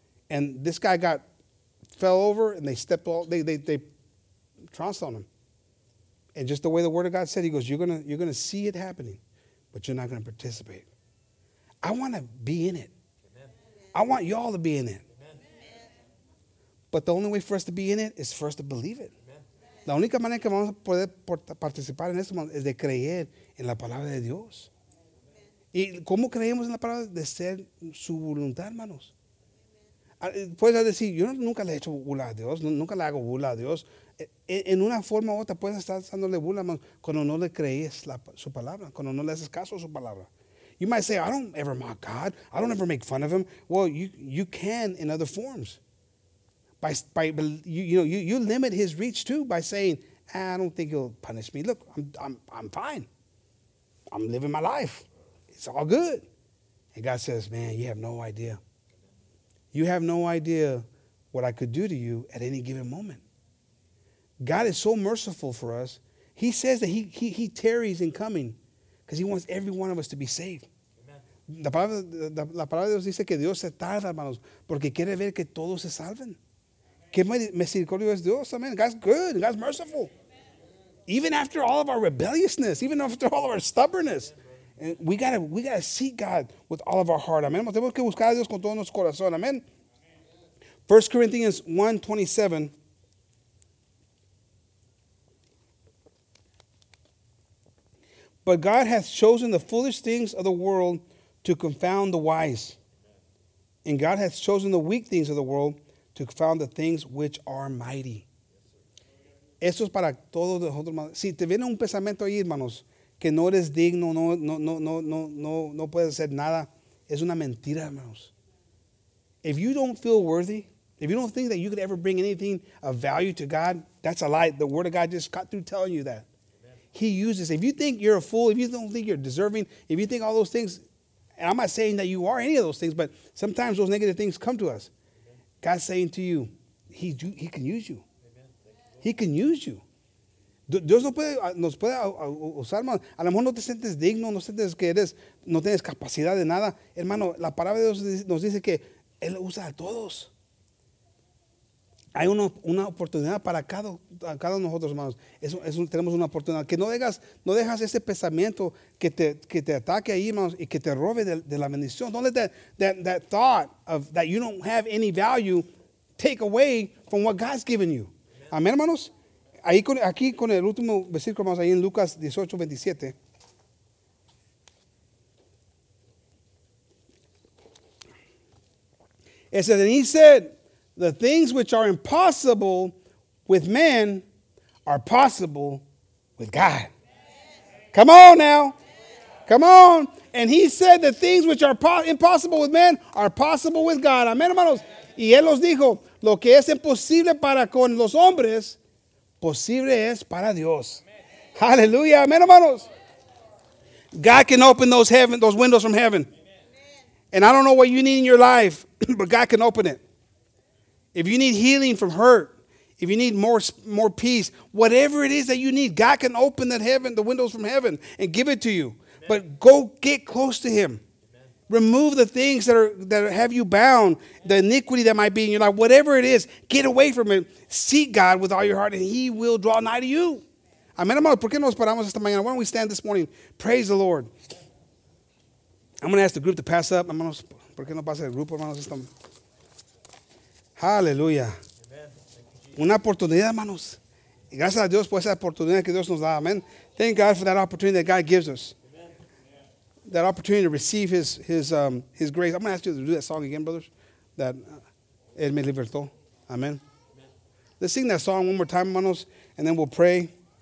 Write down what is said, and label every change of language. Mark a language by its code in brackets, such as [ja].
[en] And this guy fell over, and they stepped all, they trounced on him. And just the way the word of God said, he goes, you're gonna see it happening, but you're not going to participate. I want to be in it. Amen. I want y'all to be in it. But the only way for us to be in it is for us to believe it. Amen. [es] La única manera que vamos a poder participar en esto es de creer en la palabra de Dios. Amen. ¿Y cómo creemos en la palabra? De ser su voluntad, hermanos. Amen. Puedes decir, yo nunca le he hecho burla a Dios, nunca le hago burla a Dios. En una forma u otra puedes estar dándole burla, hermanos, cuando no le crees su palabra, cuando no le haces caso a su palabra. [en] You might say, I don't ever mock God. I don't ever make fun of him. Well, you can in other forms. By you limit his reach too by saying, I don't think he'll punish me. Look, I'm fine. I'm living my life. It's all good. And God says, man, you have no idea. You have no idea what I could do to you at any given moment. God is so merciful for us. He says that he tarries in coming because he wants every one of us to be saved. Amen. [es] La palabra de Dios dice que Dios se tarda, hermanos, porque quiere ver que todos se salven. Que misericordia es Dios, amen. [en] God's good. God's merciful. Even after all of our rebelliousness, even after all of our stubbornness, we gotta seek God with all of our heart, amen. [es] Tenemos que buscar a Dios con todo nuestro corazón, amen. [en] 1 Corinthians 1:27. But God hath chosen the foolish things of the world to confound the wise, and God hath chosen the weak things of the world to found the things which are mighty. [es] Eso es para todos nosotros. Si te viene un pensamiento ahí, hermanos, que no eres digno, no puedes hacer nada, es una mentira, hermanos. [en] If you don't feel worthy, if you don't think that you could ever bring anything of value to God, that's a lie. The word of God just cut through telling you that. Amen. He uses, if you think you're a fool, if you don't think you're deserving, if you think all those things, and I'm not saying that you are any of those things, but sometimes those negative things come to us. God's saying to you, he can use you. Amen. He can use you. [es] Dios no puede, nos puede usar más. A lo mejor no te sientes digno, no sientes que eres, no tienes capacidad de nada. Hermano, la palabra de Dios nos dice que Él usa a todos. Hay una oportunidad para cada de nosotros, hermanos. Tenemos una oportunidad. Que no dejas ese pensamiento que te ataque ahí, hermanos, y que te robe de la bendición. [en] Don't let that thought of that you don't have any value take away from what God's given you. [es] Amén, hermanos. Ahí aquí con el último versículo, hermanos, ahí en Lucas 18, 27. [en] It says, and he said, the things which are impossible with men are possible with God. Come on now. Come on. And he said, the things which are impossible with men are possible with God. [es] Amén, hermanos. Y él los dijo, lo que es imposible para con los hombres, posible es para Dios. [en] Hallelujah. [es] Amén, hermanos. [en] God can open those windows from heaven. And I don't know what you need in your life, but God can open it. If you need healing from hurt, if you need more peace, whatever it is that you need, God can open that heaven, the windows from heaven, and give it to you. Amen. But go get close to Him. Amen. Remove the things that have you bound, the iniquity that might be in your life, whatever it is, get away from it. Seek God with all your heart, and He will draw nigh to you. Amen. [es] ¿Por qué nos paramos esta mañana? [en] Why don't we stand this morning? Praise the Lord. I'm going to ask the group to pass up. [es] Hermanos, ¿por qué no pasa el grupo, hermanos? Hallelujah. Una oportunidad, hermanos. Y gracias a Dios por esa oportunidad que Dios nos da. Amen. [en] Thank God for that opportunity that God gives us. Amen. That opportunity to receive His grace. I'm going to ask you to do that song again, brothers. That [es] Él me libertó. [en] Amen. Let's sing that song one more time, hermanos, and then we'll pray.